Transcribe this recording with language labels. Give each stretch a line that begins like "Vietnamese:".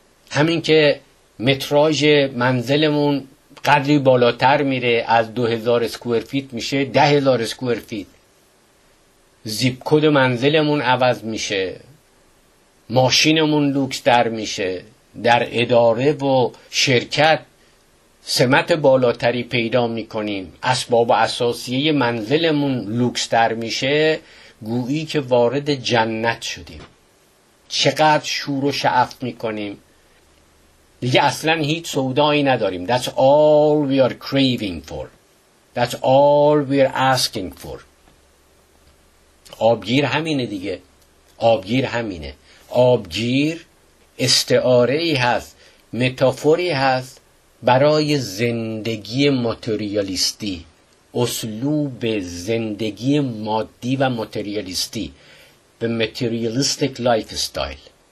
Persian: همین که متراژ منزلمون قدری بالاتر میره، از 2000 اسکوئر فیت میشه 10000 اسکوئر فیت، زیپ کد منزلمون عوض میشه، ماشینمون لوکس تر میشه، در اداره و شرکت سمت بالاتری پیدا میکنیم، اسباب و اساسیه منزلمون لوکس تر میشه، گویی که وارد جنت شدیم. چقدر شور و شعف میکنیم، دیگه اصلا هیچ سودایی نداریم.
English: That's all we are craving for. That's all we are asking for.
Persian: آبگیر همینه دیگه. آبگیر همینه. آبگیر استعاره‌ای هست، متافوری هست برای زندگی ماتریالیستی، اسلوب زندگی مادی و ماتریالیستی،
English: the materialistic lifestyle.